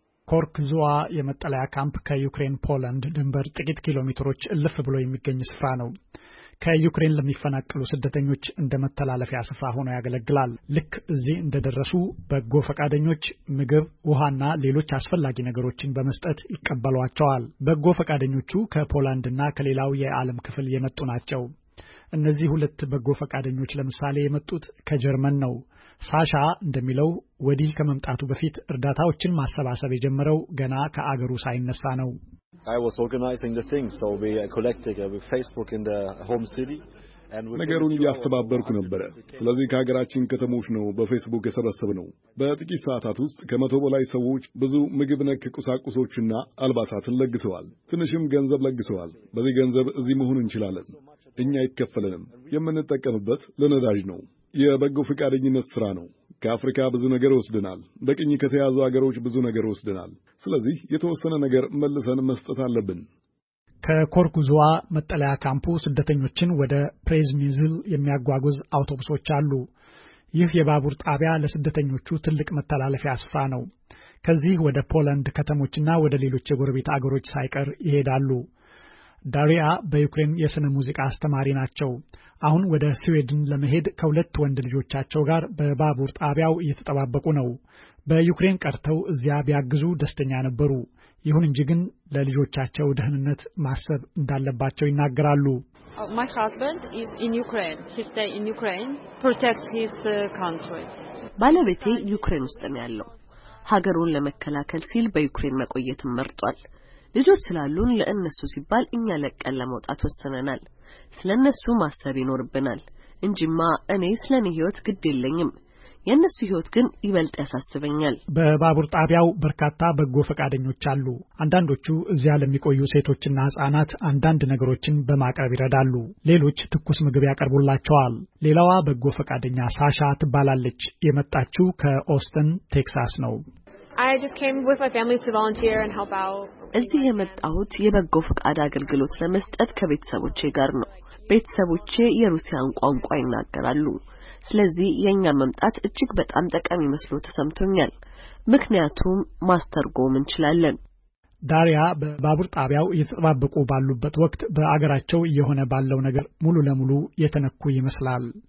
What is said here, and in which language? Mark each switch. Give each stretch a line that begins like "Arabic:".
Amharic: ኮርክዙዋ የመጠለያ ካምፕ ከዩክሬን ፖላንድ ድንበር ጥቂት ኪሎ ሜትሮች እልፍ ብሎ የሚገኝ ስፍራ ነው። ከዩክሬን ለሚፈናቀሉ ስደተኞች እንደ መተላለፊያ ስፍራ ሆኖ ያገለግላል። ልክ እዚህ እንደደረሱ በጎ ፈቃደኞች ምግብ፣ ውሃና ሌሎች አስፈላጊ ነገሮችን በመስጠት ይቀበሏቸዋል። በጎ ፈቃደኞቹ ከፖላንድና ከሌላው የዓለም ክፍል የመጡ ናቸው። እነዚህ ሁለት በጎ ፈቃደኞች ለምሳሌ የመጡት ከጀርመን ነው። ሳሻ እንደሚለው ወዲህ ከመምጣቱ በፊት እርዳታዎችን ማሰባሰብ የጀመረው ገና ከአገሩ ሳይነሳ ነው።
English: I was organizing the things, so we collected with Facebook in the home city.
Amharic: ነገሩን እያስተባበርኩ ነበር። ስለዚህ ከሀገራችን ከተሞች ነው በፌስቡክ የሰበሰብነው። በጥቂት ሰዓታት ውስጥ ከመቶ በላይ ሰዎች ብዙ ምግብ ነክ ቁሳቁሶችና አልባሳትን ለግሰዋል። ትንሽም ገንዘብ ለግሰዋል። በዚህ ገንዘብ እዚህ መሆን እንችላለን። እኛ አይከፈለንም። የምንጠቀምበት ለነዳጅ ነው። የበጎ ፈቃደኝነት ስራ ነው። ከአፍሪካ ብዙ ነገር ወስደናል። በቅኝ ከተያዙ አገሮች ብዙ ነገር ወስደናል። ስለዚህ የተወሰነ ነገር መልሰን መስጠት አለብን። ከኮርኩዙዋ መጠለያ ካምፑ ስደተኞችን ወደ ፕሬዝሚዝል የሚያጓጉዝ አውቶቡሶች አሉ። ይህ የባቡር ጣቢያ ለስደተኞቹ ትልቅ መተላለፊያ ስፍራ ነው። ከዚህ ወደ ፖላንድ ከተሞችና ወደ ሌሎች የጎረቤት አገሮች ሳይቀር ይሄዳሉ። ዳሪያ በዩክሬን የስነ ሙዚቃ አስተማሪ ናቸው። አሁን ወደ ስዊድን ለመሄድ ከሁለት ወንድ ልጆቻቸው ጋር በባቡር ጣቢያው እየተጠባበቁ ነው። በዩክሬን ቀርተው እዚያ ቢያግዙ ደስተኛ ነበሩ። ይሁን እንጂ ግን ለልጆቻቸው ደህንነት ማሰብ እንዳለባቸው ይናገራሉ።
English: My husband is in Ukraine. He stay in Ukraine, protect his country.
Amharic: ባለቤቴ ዩክሬን ውስጥ ነው ያለው። ሀገሩን ለመከላከል ሲል በዩክሬን መቆየት መርጧል። ልጆች ስላሉን ለእነሱ ሲባል እኛ ለቀን ለመውጣት ወሰነናል። ስለነሱ ማሰብ ይኖርብናል እንጂማ እኔ ስለኔ ህይወት ግድ የለኝም። የነሱ ህይወት ግን ይበልጥ ያሳስበኛል። በባቡር ጣቢያው በርካታ በጎ ፈቃደኞች አሉ። አንዳንዶቹ እዚያ ለሚቆዩ ሴቶችና ህጻናት አንዳንድ ነገሮችን በማቅረብ ይረዳሉ። ሌሎች ትኩስ ምግብ ያቀርቡላቸዋል። ሌላዋ በጎ ፈቃደኛ ሳሻ ትባላለች። የመጣችው ከኦስተን ቴክሳስ ነው።
English: I just came with my family to volunteer and help out.
Amharic: እዚህ የመጣሁት የበጎ ፈቃድ አገልግሎት ለመስጠት ከቤተሰቦቼ ጋር ነው። ቤተሰቦቼ የሩሲያን ቋንቋ ይናገራሉ። ስለዚህ የኛ መምጣት እጅግ በጣም ጠቃሚ መስሎ ተሰምቶኛል። ምክንያቱም ማስተርጎም እንችላለን። ዳሪያ በባቡር ጣቢያው እየተጠባበቁ ባሉበት ወቅት በአገራቸው የሆነ ባለው ነገር ሙሉ ለሙሉ የተነኩ ይመስላል።